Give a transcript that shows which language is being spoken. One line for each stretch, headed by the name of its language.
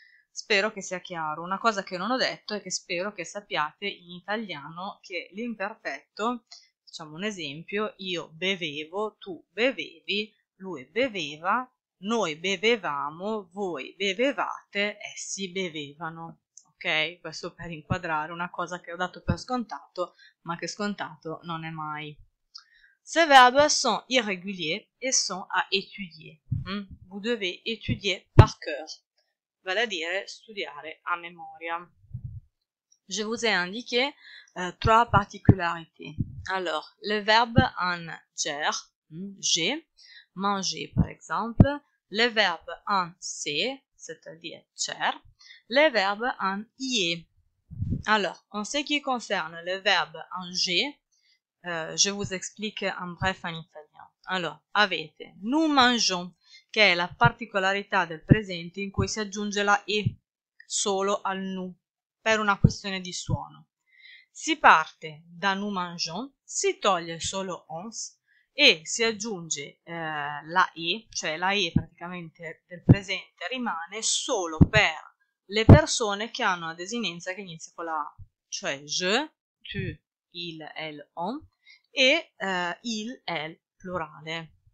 Italian: Spero che sia chiaro. Una cosa che non ho detto è che spero che sappiate in italiano che l'imperfetto, facciamo un esempio, io bevevo, tu bevevi, lui beveva, noi bevevamo, voi bevevate, essi bevevano. Okay, questo per inquadrare una cosa che ho dato per scontato, ma che scontato non è mai.
French: Ces verbes sont irréguliers et sont à étudier. Vous devez étudier par cœur,
Italian: vale a dire studiare a memoria.
French: Je vous ai indiqué trois particularités. Alors, le verbe en ger, j'ai, manger par exemple, le verbe en c'est, c'est-à-dire cher. Le verbe en ie. Alors, en ce qui concerne le verbe en g, je vous explique en bref en italien.
Italian: Alors, avete,
French: nous mangeons,
Italian: che è la particolarità del presente in cui si aggiunge la e solo al nous, per una questione di suono. Si parte da
French: nous mangeons,
Italian: si toglie solo ons e si aggiunge la e, cioè la e praticamente del presente rimane solo per le persone che hanno una desinenza che inizia con la A, cioè je, tu, il, elle, on, e il, elle, plurale.